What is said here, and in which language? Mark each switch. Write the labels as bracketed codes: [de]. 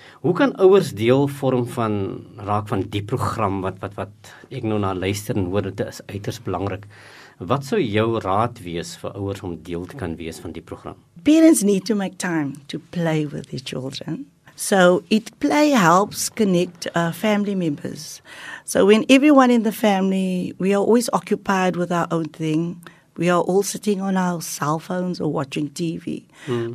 [af] Hoe kan ouers deel vorm van raak van die program wat ek nou na luister en hoor dit is uiters belangrik. Wat sou jou raad wees vir ouers om deel te kan wees van die program? [en] Parents need to make time to play with their children. So it play helps connect family members. So when everyone in the family, we are always occupied with our own thing. We are all sitting on our cell phones or watching TV. Mm.